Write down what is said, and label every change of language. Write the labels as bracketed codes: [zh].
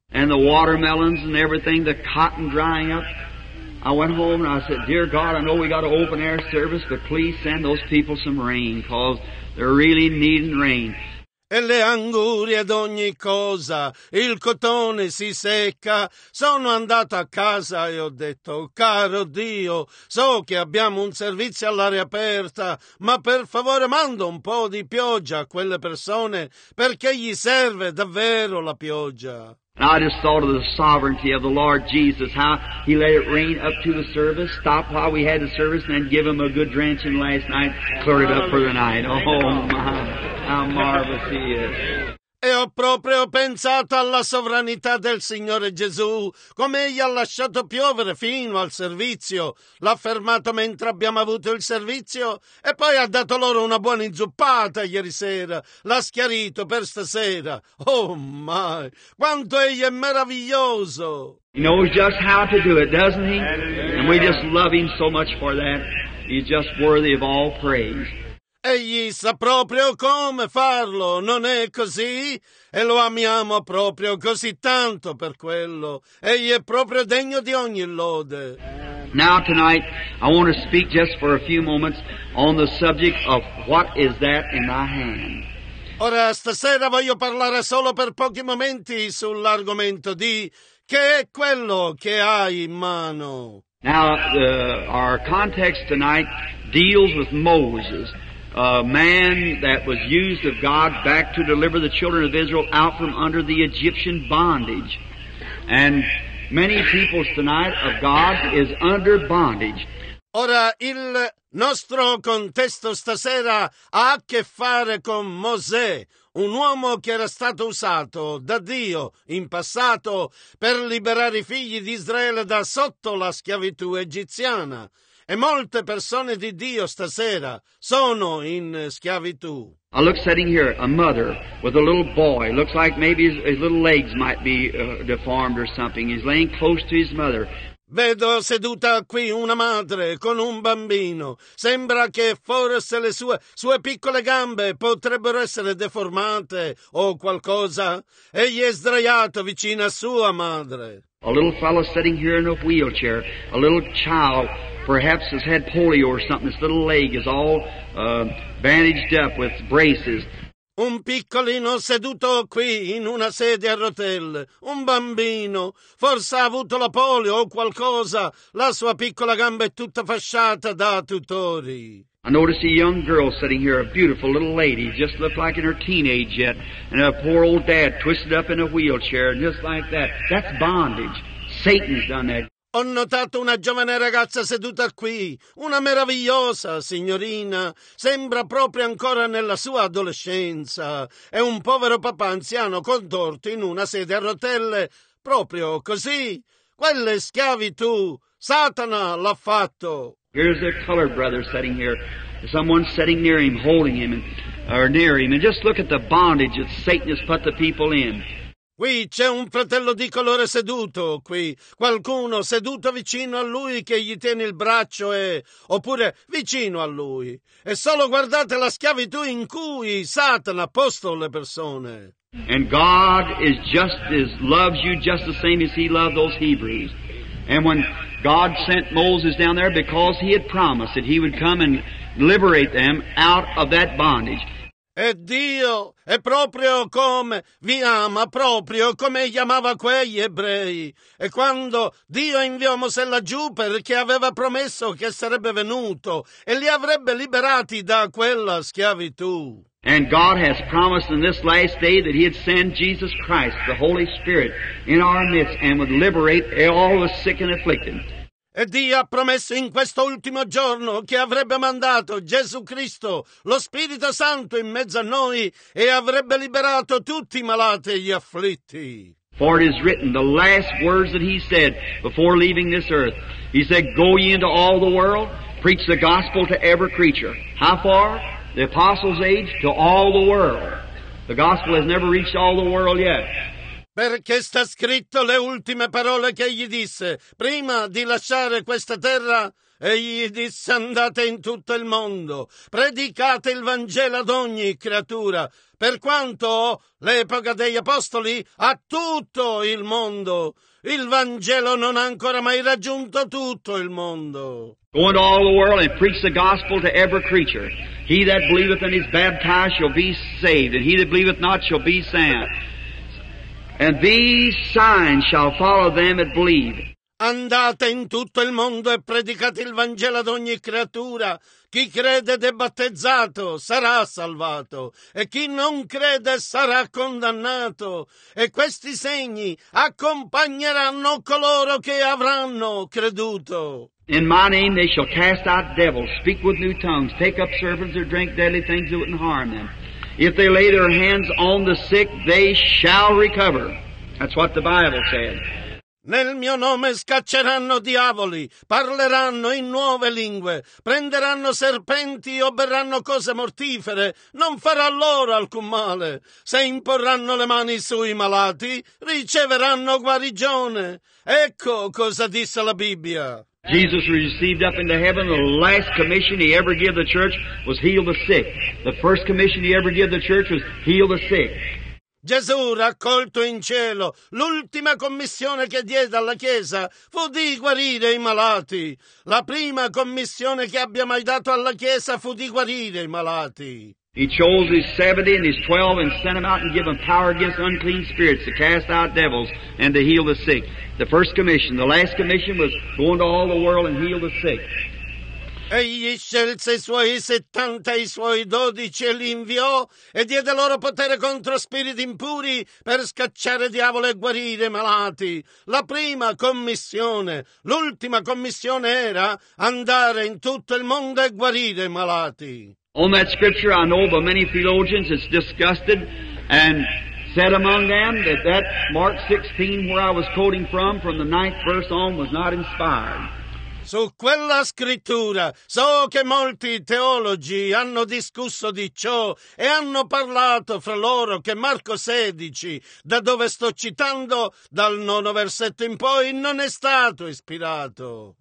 [en] And the watermelons and everything, the cotton drying up. I went home and I said, "Dear God, I know we got an open air service, but please send those people some rain, cause they're really needing rain." [it] E le angurie ad ogni cosa, il cotone si secca. Sono andato a casa e ho detto, caro Dio, so che abbiamo un servizio all'aria aperta, ma per favore manda un po' di pioggia a quelle persone, perché gli serve davvero la pioggia. [en] And I just thought of the sovereignty of the Lord Jesus, how He let it rain up to the service, stop while we had the service, and then give Him a good drenching last night, clear it up for the night. Oh my, how marvelous He is. [it] E ho proprio pensato alla sovranità del Signore Gesù, come Egli ha lasciato piovere fino al servizio, l'ha fermato mentre abbiamo avuto il servizio e poi ha dato loro una buona inzuppata ieri sera, l'ha schiarito per stasera. [en] Oh my, [it] quanto Egli è meraviglioso! [en] He knows just how to do it, doesn't he? And we just love Him so much for that. He's just worthy of all praise. [it] Egli sa proprio come farlo, non è così? E lo amiamo proprio così tanto per quello. Egli è proprio degno di ogni lode. [en] Now tonight, I want to speak just for a few moments on the subject of what is that in my hand. [it] Ora stasera voglio parlare solo per pochi momenti sull'argomento di che è quello che hai in mano. [en] Now, our context tonight deals with Moses. A man that was used of God back to deliver the children of Israel out from under the Egyptian bondage. And many peoples tonight of God is under bondage. [it] Ora, il Nostro contesto stasera ha a che fare con Mosè, un uomo che era stato usato da Dio in passato per liberare i figli di Israele da sotto la schiavitù egiziana. E molte persone di Dio stasera sono in schiavitù. [en] I look sitting here, a mother with a little boy. Looks like maybe his little legs might be deformed or something. He's laying close to his mother. [it] Vedo seduta qui una madre con un bambino. Sembra che forse le sue piccole gambe potrebbero essere deformate o qualcosa. Egli è sdraiato vicino a sua madre. [en] A little fellow sitting here in a wheelchair, a little child, perhaps has had polio or something. His little leg is all bandaged up with braces. [it] Un piccolino seduto qui in una sedia a rotelle, un bambino, forse ha avuto la polio o qualcosa, la sua piccola gamba è tutta fasciata da tutori. [en] I notice a young girl sitting here, a beautiful little lady, just looked like in her teenage yet, and a poor old dad twisted up in a wheelchair, just like that. That's bondage. Satan's done that. [it] Ho notato una giovane ragazza seduta qui, una meravigliosa signorina, sembra proprio ancora nella sua adolescenza, e un povero papà anziano contorto in una sedia a rotelle, proprio così. Quella è schiavitù, Satana l'ha fatto. [en] Here's a colored brother sitting here, someone sitting near him, holding him, or near him, and just look at the bondage that Satan has put the people in. [it] Qui c'è un fratello di colore seduto qui, qualcuno seduto vicino a lui che gli tiene il braccio oppure vicino a lui. E solo guardate la schiavitù in cui Satana ha posto le persone. [en] And God is just as loves you just the same as he loved those Hebrews. And when God sent Moses down there because he had promised that he would come and liberate them out of that bondage. [it] E Dio è proprio come vi ama, proprio come gli amava quegli ebrei. E quando Dio inviò Mosè laggiù perché aveva promesso che sarebbe venuto e li avrebbe liberati da quella schiavitù. [en] And God has promised in this last day that he'd send Jesus Christ, the Holy Spirit, in our midst and would liberate all the sick and afflicted. [it] E Dio ha promesso in questo ultimo giorno che avrebbe mandato Gesù Cristo, lo Spirito Santo, in mezzo a noi e avrebbe liberato tutti i malati e gli afflitti. [en] For it is written, the last words that he said before leaving this earth, he said, go ye into all the world, preach the gospel to every creature. How far? The apostles' age? To all the world. The gospel has never reached all the world yet. [it] Perché sta scritto le ultime parole che egli disse prima di lasciare questa terra? Egli disse andate in tutto il mondo, predicate il Vangelo ad ogni creatura, per quanto l'epoca degli apostoli a tutto il mondo. Il Vangelo non ha ancora mai raggiunto tutto il mondo. [en] Go into all the world and preach the gospel to every creature. He that believeth and is baptized shall be saved, and he that believeth not shall be saved. And these signs shall follow them that believe. [it] Andate in tutto il mondo e predicate il Vangelo ad ogni creatura. Chi crede ed è battezzato sarà salvato, e chi non crede sarà condannato. E questi segni accompagneranno coloro che avranno creduto. [en] In my name they shall cast out devils, speak with new tongues, take up serpents, or drink deadly things that wouldn't harm them. If they lay their hands on the sick, they shall recover. That's what the Bible said. [it] Nel mio nome scacceranno diavoli, parleranno in nuove lingue, prenderanno serpenti o berranno cose mortifere, non farà loro alcun male. Se imporranno le mani sui malati, riceveranno guarigione. Ecco cosa disse la Bibbia. [en] Jesus received up into heaven, the last commission he ever gave the church was heal the sick. The first commission he ever gave the church was heal the sick. [it] Gesù raccolto in cielo, l'ultima commissione che diede alla Chiesa fu di guarire i malati. La prima commissione che abbia mai dato alla Chiesa fu di guarire i malati. [en] He chose his 70 and his 12 and sent them out and gave them power against unclean spirits to cast out devils and to heal the sick. The first commission, the last commission was go into all the world and heal the sick. [it] Egli scelse i suoi 70 e i suoi 12 e li inviò e diede loro potere contro spiriti impuri per scacciare diavoli e guarire malati. La prima commissione, l'ultima commissione era andare in tutto il mondo e guarire malati. [en] On that scripture I know by many theologians it's disgusted and said among them that that Mark 16 where I was quoting from the ninth verse on was not inspired. [it] Su quella scrittura so che molti teologi hanno discusso di ciò e hanno parlato fra loro che Marco 16, da dove sto citando, dal nono versetto in poi, non è stato ispirato.